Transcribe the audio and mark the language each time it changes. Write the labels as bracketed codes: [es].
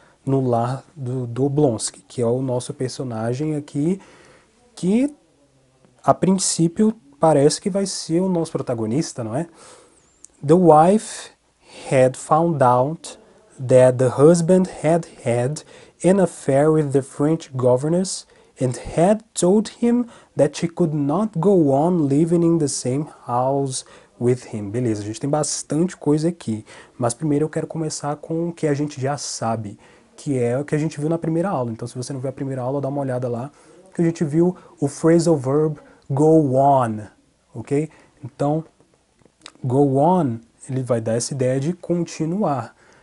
[pt] No lar do Oblonsky, que é o nosso personagem aqui, que a princípio parece que vai ser o nosso protagonista, não é? [en] The wife had found out that the husband had an affair with the French governess and had told him that she could not go on living in the same house with him. [pt] Beleza, a gente tem bastante coisa aqui, mas primeiro eu quero começar com o que a gente já sabe. Que é o que a gente viu na primeira aula. Então, se você não viu a primeira aula, dá uma olhada lá, que a gente viu o phrasal verb go on, ok? Então, go on, ele vai dar essa ideia de continuar.